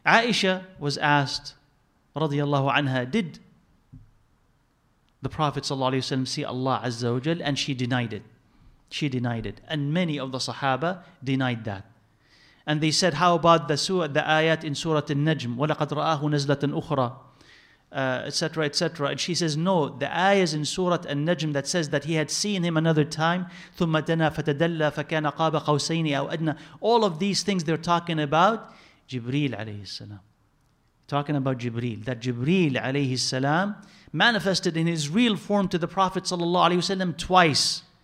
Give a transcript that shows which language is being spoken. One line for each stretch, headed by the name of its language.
English: Aisha was asked radiyallahu anha, did the Prophet sallallahu alayhi wa sallam see Allah Azza wa Jal? And she denied it. She denied it. And many of the Sahaba denied that. And they said, how about the surah, the ayat in Surah Al-Najm?
Arabic: وَلَقَدْ رَآهُ نَزْلَةً أُخْرَى
English: etc., etc. And she says, no, the ayahs in Surah Al-Najm that says that he had seen him another time,
Arabic: ثُمَّ دَنَا فَتَدَلَّ فَكَانَ قَابَ قَوْسَيْنِ أَوْ أَدْنَى.
English: All of these things they're talking about Jibreel alayhi salam. Talking about Jibreel, that Jibreel alayhi salam manifested in his real form to the Prophet sallallahu alayhi wasallam twice.